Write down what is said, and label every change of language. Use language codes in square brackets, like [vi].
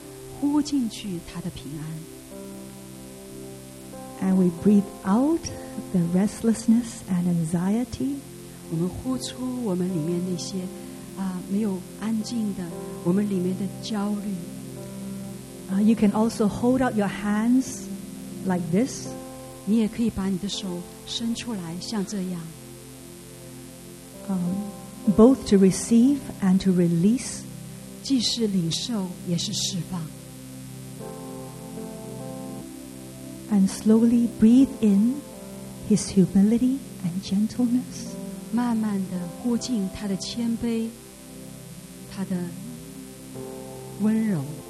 [zh] 所以我们现在就领受，呼进去他的平安。 [en] And we breathe out the restlessness and anxiety. [zh] 我们呼出我们里面那些 没有安静的 我们里面的焦虑。 [en] You can also hold out your hands like this. [zh] 你也可以把你的手伸出来, 像这样。 [en] Both to receive and to release. [zh] 既是领受, 也是释放。 [en] And slowly breathe in His humility and gentleness. [zh] 慢慢地呼进他的谦卑, 他的温柔。